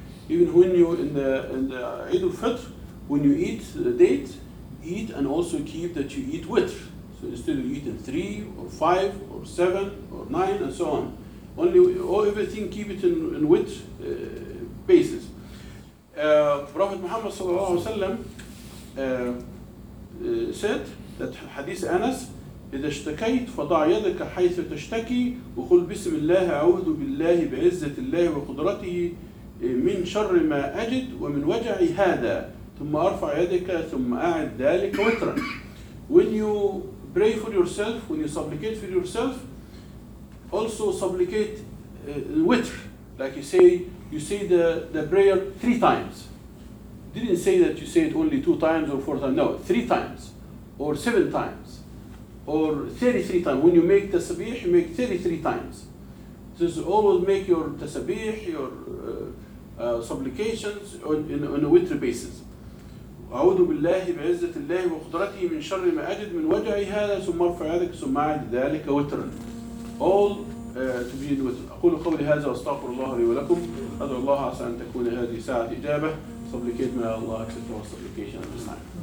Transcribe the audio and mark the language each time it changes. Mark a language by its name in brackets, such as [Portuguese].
[English] Even when you in the Eid al-Fitr, when you eat the date, eat and also keep that you eat witr. So instead of eating 3 or 5 or 7 or 9 and so on, only all everything keep it in which basis. Prophet Muhammad sallallahu alaihi wasallam said that hadith Anas, [Arabic] "إذا اشتكيت فضع يدك حيث تشتكي وقل بسم الله أعوذ بالله بعزة الله وقدرته من شر ما أجد ومن وجع هذا ثم أرفع يدك ثم أعد ذلك وترا." [English] When you pray for yourself, when you supplicate for yourself, also supplicate witr. Like you say the prayer 3 times. Didn't say that you say it only 2 times or 4 times. No, 3 times or 7 times or 33 times. When you make tasbih, you make 33 times. So always make your tasbih, your supplications on a witr basis. [Arabic] أعوذ بالله بعزة الله وقدرته من شر ما أجد من وجع هذا ثم أرفع يدك ثم أعد ذلك وترا. [English] All to be in وتر. [Arabic] أقول قولي هذا وأستغفر الله لي ولكم. أدعو الله عسى أن تكون هذه ساعة إجابة. [English] Supplicate may Allah accept our supplication at this time.